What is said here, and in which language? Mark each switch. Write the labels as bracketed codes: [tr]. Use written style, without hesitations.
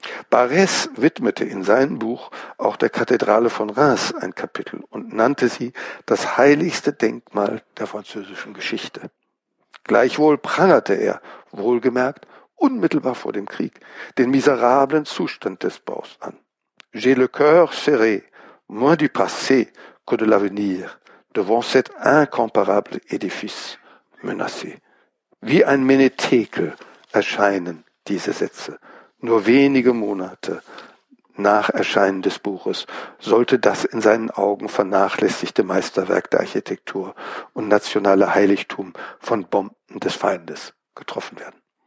[de] Barrès widmete in seinem Buch auch der Kathedrale von Reims ein Kapitel und nannte sie das heiligste Denkmal der französischen Geschichte. Gleichwohl prangerte er, wohlgemerkt, unmittelbar vor dem Krieg, den miserablen Zustand des Baus an. [fr] J'ai le cœur serré, moins du passé que de l'avenir, devant cet incomparable édifice menacé. [de] Wie ein Menetekel erscheinen diese Sätze. Nur wenige Monate nach Erscheinen des Buches sollte das in seinen Augen vernachlässigte Meisterwerk der Architektur und nationale Heiligtum von Bomben des Feindes getroffen werden.